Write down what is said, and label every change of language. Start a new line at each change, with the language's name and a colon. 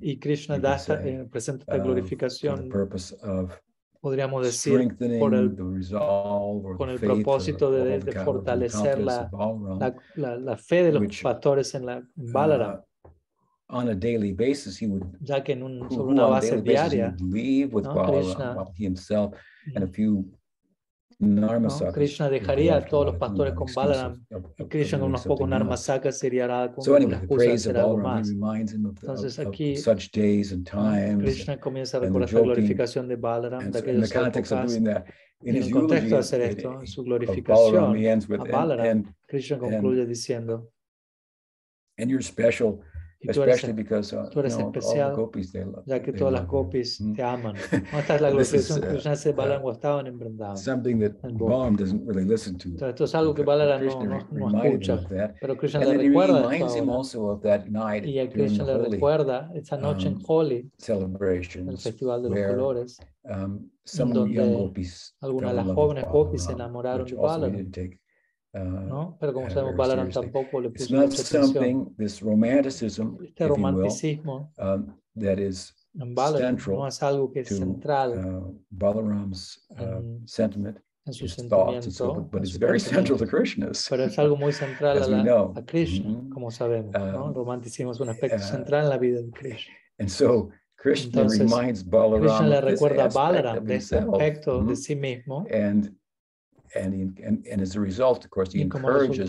Spanish: y Krishna da esta, presenta esta glorificación, podríamos decir, con el propósito de fortalecer la fe de los pastores en Balaram.
English: On a daily basis, he would,
Spanish: ya que en sobre una base diaria,
English: leave with Krishna, while he himself and a few Narmasakas,
Spanish: Krishna dejaría a todos los pastores con Balaram, y Krishna con unos pocos Narmasakas sería nada con la excusa de hacer algo más. Entonces aquí Krishna comienza a recordar la glorificación de Balaram, de aquellos épocas, en el contexto de hacer esto, su glorificación a Balaram, Krishna concluye diciendo,
English: and you're special, especially because
Spanish: tú eres especial, ya que todas las gopis te aman. Esta es la glorificación que Krishna hace de Balaram estaban en Vrindavan.
English: Something that Balaram doesn't really listen to.
Spanish: Esto es algo que Balaram no escucha, pero Krishna le recuerda.
English: And he reminds him also of that night.
Spanish: Y a Krishna le recuerda esa noche en Holi,
English: celebration,
Spanish: el festival de los colores,
English: some
Spanish: donde
English: young gopis,
Spanish: algunas de las jóvenes gopis se enamoraron de Balaram. No, pero como sabemos, Balaram tampoco le puso mucha atención.
English: This romanticism,
Spanish: este romanticismo,
English: that is central,
Spanish: no es algo que es central
English: Balaram's sentiment,
Spanish: en su sentimiento,
English: but it's very central to Krishna's.
Spanish: Pero es algo muy central a Krishna, como sabemos, ¿no? El romanticismo es un aspecto central en la vida de Krishna.
English: And so Krishna,
Spanish: entonces,
English: reminds Balaram,
Spanish: Krishna le recuerda a Balaram de este aspecto de sí mismo.
English: And as a result, of course, he encourages